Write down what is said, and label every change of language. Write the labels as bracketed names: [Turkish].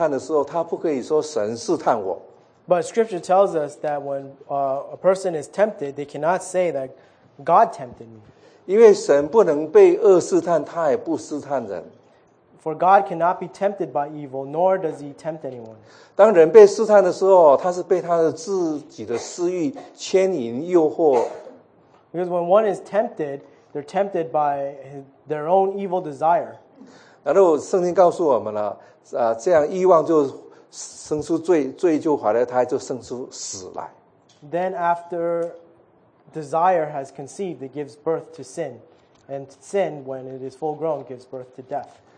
[Chinese] 所以圣经告诉我们，当一个人被试探的时候，他不可以说神试探我。But [English] Scripture tells us that when a person is tempted, they cannot say that God tempted me. [Chinese] 因为神不能被恶试探，他也不试探人。 [English] For God cannot be tempted by evil, nor does he tempt anyone. [Chinese] 当人被试探的时候，他是被他的自己的私欲牵引诱惑。 [English] Because when one is tempted, they're tempted by their own evil desire. [Chinese] 然后圣经告诉我们了，这样欲望就生出罪，罪就怀了胎，就生出死来。 [English] Then after desire has conceived, it gives birth to sin. And sin, when it is full grown, gives birth to death.